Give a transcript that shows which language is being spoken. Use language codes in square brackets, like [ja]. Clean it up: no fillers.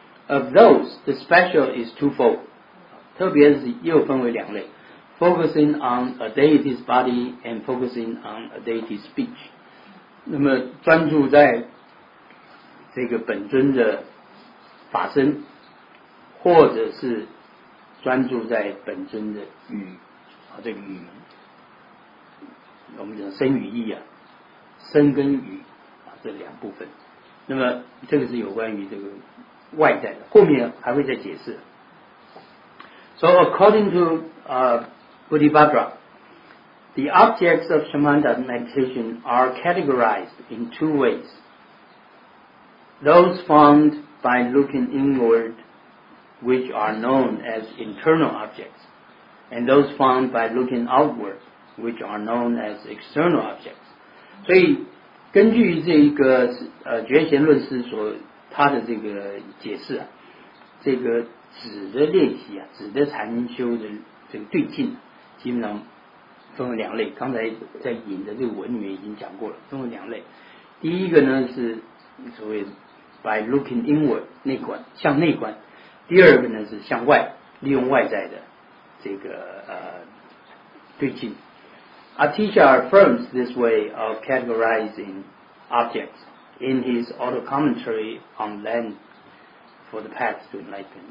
[en] of those the special is twofold， [zh] 特别的是又分为两类， [en] focusing on a deity's body and focusing on a deity's speech， [zh] 那么专注在这个本尊的法身，或者是专注在本尊的语啊，这个语我们讲身与意啊，身跟语啊，这两部分。那么这个是有关于这个外在的，后面还会再解释。 [en] So according to Buddhibhadra， the objects of shamatha meditation are categorized in two ways， those found by looking inwardwhich are known as internal objects, and those found by looking outward, which are known as external objects. [zh] 所以根据这一个觉贤论师所他的这个解释啊，这个止的练习啊，止的禅修的这个对境，基本上分为两类。刚才在引的这个文里面已经讲过了，分为两类。第一个呢是所谓 [en] by looking inward [zh] 内观，向内观。第二个呢是向外，利用外在的这个对境。 [en] Our teacher affirms this way of categorizing objects in his auto commentary on land for the path to enlightenment。